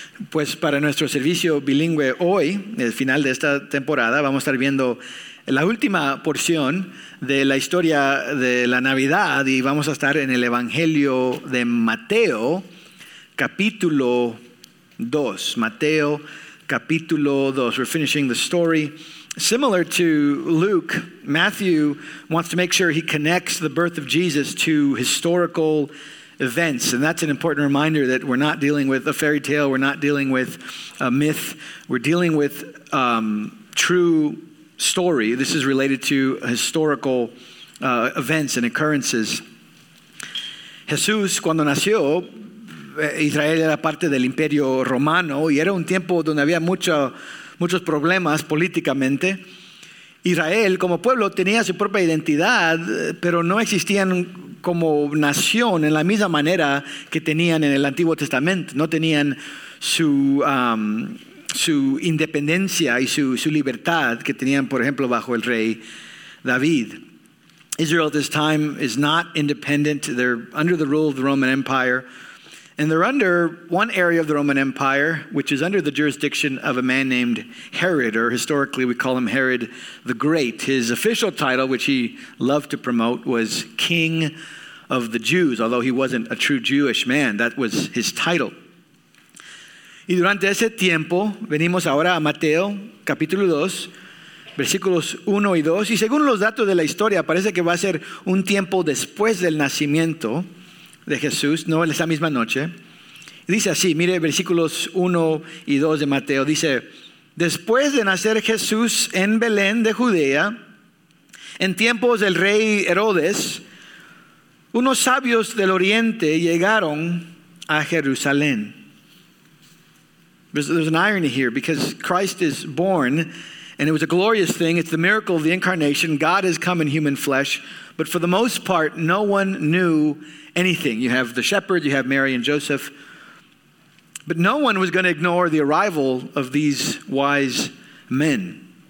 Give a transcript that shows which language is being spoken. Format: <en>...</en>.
<es>Pues para nuestro servicio bilingüe hoy, el final de esta temporada, vamos a estar viendo la última porción de la historia de la Navidad y vamos a estar en el Evangelio de Mateo, capítulo 2. Mateo, capítulo 2.</es> <en>We're finishing the story. Similar to Luke, Matthew wants to make sure he connects the birth of Jesus to historical events. And that's an important reminder that we're not dealing with a fairy tale, we're not dealing with a myth, we're dealing with true story. This is related to historical events and occurrences.</en> <es>Jesús, cuando nació, Israel era parte del Imperio Romano, y era un tiempo donde había muchos problemas políticamente. Israel, como pueblo, tenía su propia identidad, pero no existían como nación en la misma manera que tenían en el Antiguo Testamento. No tenían su independencia y su libertad que tenían, por ejemplo, bajo el rey David.</es> <en>Israel at this time is not independent. They're under the rule of the Roman Empire. And they're under one area of the Roman Empire, which is under the jurisdiction of a man named Herod, or historically we call him Herod the Great. His official title, which he loved to promote, was King of the Jews, although he wasn't a true Jewish man. That was his title.</en> <es>Y durante ese tiempo, venimos ahora a Mateo, capítulo 2, versículos 1 y 2. Y según los datos de la historia, parece que va a ser un tiempo después del nacimiento de Jesús, no en esa misma noche. Dice así, mire versículos 1 y 2 de Mateo. Dice: después de nacer Jesús en Belén de Judea, en tiempos del rey Herodes, unos sabios del oriente llegaron a Jerusalén.</es> <en>There's an irony here, because Christ is born and it was a glorious thing. It's the miracle of the incarnation. God has come in human flesh. But for the most part, no one knew anything. You have the shepherd, you have Mary and Joseph. But no one was going to ignore the arrival of these wise men.</en>